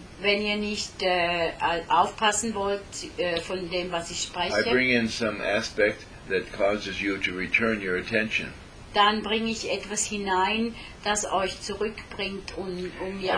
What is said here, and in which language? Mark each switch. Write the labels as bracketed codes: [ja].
[de] wenn ihr nicht aufpassen wollt von dem, was ich spreche, [en] I bring in some aspect that causes you to return your attention. [de] Dann bringe ich etwas hinein, das euch zurückbringt, um ihr